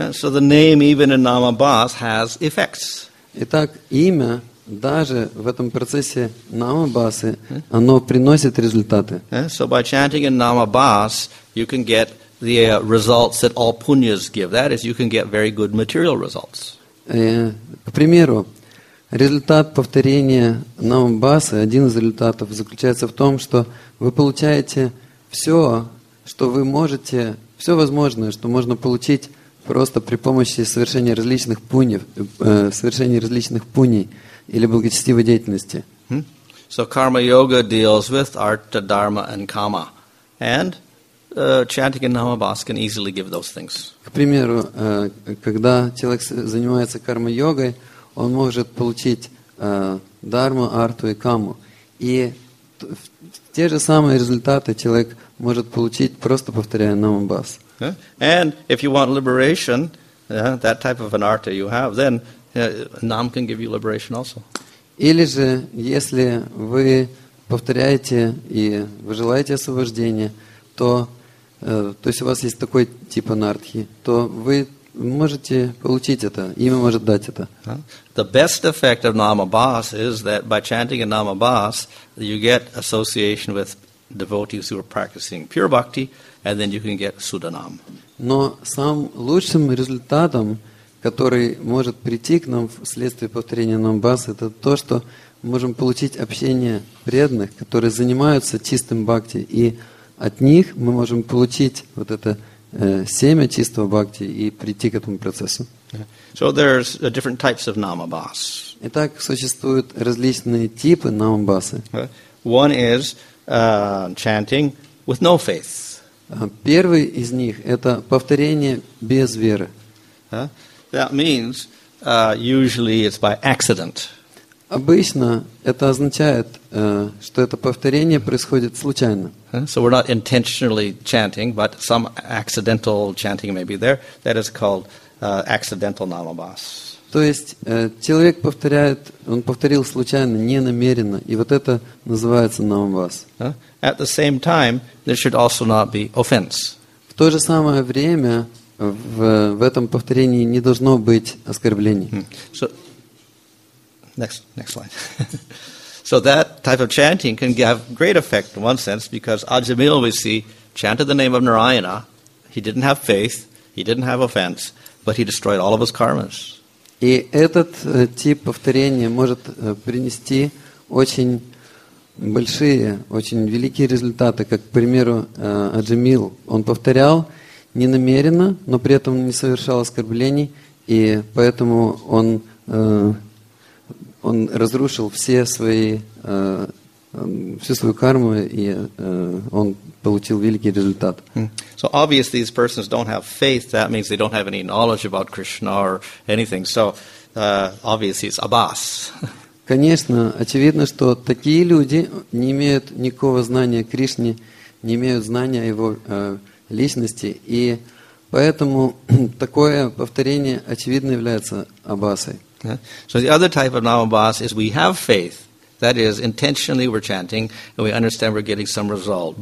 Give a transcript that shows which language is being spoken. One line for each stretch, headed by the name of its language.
English: So the name even in Namabas has effects.
Russian: Итак, имя даже в этом процессе Намабасы, оно приносит результаты.
English: So by chanting in Namabas, you can get the results that all punyas give. That is, you can get very good material results.
Russian: К примеру, результат повторения Намабасы, один из результатов заключается в том, что вы получаете все, что вы можете, все возможное, что можно получить просто при помощи совершения различных пуньев, совершения различных пуней или благочестивой деятельности.
English: So karma yoga deals with artha, dharma and kama. And chanting in Namabas can easily give those things.
Russian: К примеру, когда человек занимается карма йогой, он может получить дарму, арту и каму. И те же самые результаты человек может получить, просто повторяя Намабас.
English: And if you want liberation, that type of an artha you have, then Nam can give you liberation also.
Russian: Или же, если вы повторяете и вы желаете освобождения, то есть у вас есть такой тип анартхи, то вы можете получить это, имя может дать это.
English: The best effect of Namabas is that by chanting in Namabas, you get association with devotees who are practicing pure bhakti, and then you can get Sudanam.
Russian: Но самым лучшим результатом, который может прийти к нам вследствие повторения Намабас, это то, что мы можем получить общение преданных, которые занимаются чистым бхакти, и от них мы можем получить вот это семя чистого бхакти и прийти к этому процессу.
English: So there's different types of Namabas.
Russian: Итак, существуют различные типы Намабасы.
English: One is chanting with no faith.
Russian: Первый из них – это повторение без веры.
English: That means usually it's by accident.
Russian: Обычно это означает, что это повторение происходит случайно.
English: So we're not intentionally chanting, but some accidental chanting may be there. That is called accidental Namabas.
Russian: То есть человек повторяет, он повторил случайно, не намеренно, и вот это называется Намабас.
English: At the same time, there should also not be offense.
Russian: В то же самое время в этом повторении не должно быть оскорблений.
English: So, next slide. So that type of chanting can have great effect in one sense, because Ajamil, we see, chanted the name of Narayana, he didn't have faith, he didn't have offense, but he destroyed all of his karmas.
Russian: И этот тип повторения может принести очень большие, очень великие результаты, как, к примеру, Аджамил. Он повторял ненамеренно, но при этом не совершал оскорблений, и поэтому он разрушил все свои, всю свою карму, и он получил великий результат.
English: So obviously these persons don't have faith, that means they don't have any knowledge about Krishna or anything. So obviously it's Abbas.
Russian: Конечно, очевидно, что такие люди не имеют никакого знания о Кришне, не имеют знания о его личности, и поэтому такое повторение очевидно является Аббасой.
English: So the other type of Namabas is we have faith. That is, intentionally we're chanting and we understand we're getting some result.